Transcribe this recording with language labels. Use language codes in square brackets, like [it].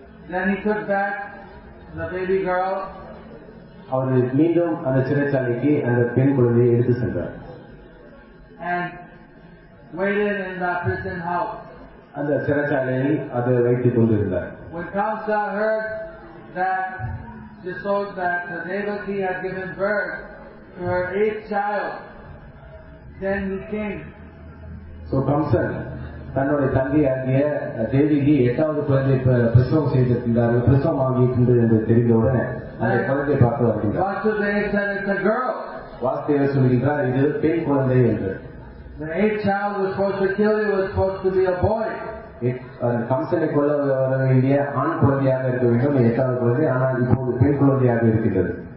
[en] Then he took back the baby girl. [ta] அவர் மீண்டும் அந்த சிறைச்சாலைக்கு அந்த பெண் குழந்தையை எடுத்து சென்றார். [en] And waited in the prison house. [ta] அந்த சிறைச்சாலையில் அதை வைத்துக் கொண்டிருந்தார். [en] When Kamsa heard that the Devaki had given birth to her eighth child, then he came. [ta] So Kamsa, தன்னுடைய தங்கியாகிய தேவிக்கு எட்டாவது குழந்தை பிரசவம் செய்திருக்கின்றார், பிரசவம் ஆகியிருக்கின்றது என்று தெரிந்தவுடனே அந்த குழந்தையை பார்த்து வருகின்றார். வாசுதேவர் சொல்கின்றார், இது பெண் குழந்தை என்று. [en] The eighth child was supposed to kill you, was supposed to be a boy. [ta] கம்சனை கொல்ல வர வேண்டிய ஆண் குழந்தையாக இருக்க வேண்டும், எட்டாவது குழந்தை. ஆனால் இப்போது பெண் குழந்தையாக இருக்கின்றது.